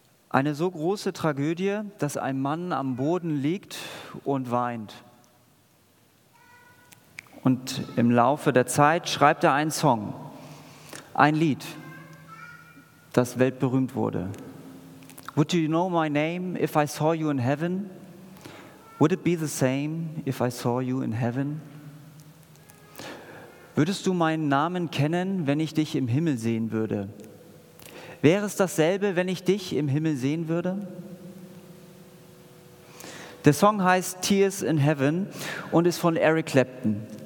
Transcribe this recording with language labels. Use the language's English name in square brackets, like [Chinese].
[German] Eine so große Tragödie, dass ein Mann am Boden liegt und weint. Und im Laufe der Zeit schreibt er einen Song, ein Lied, das weltberühmt wurde. [English] Would you know my name if I saw you in heaven? Would it be the same if I saw you in heaven? [German] Würdest du meinen Namen kennen, wenn ich dich im Himmel sehen würde? Wäre es dasselbe, wenn ich dich im Himmel sehen würde? Der Song heißt Tears in Heaven und ist von Eric Clapton.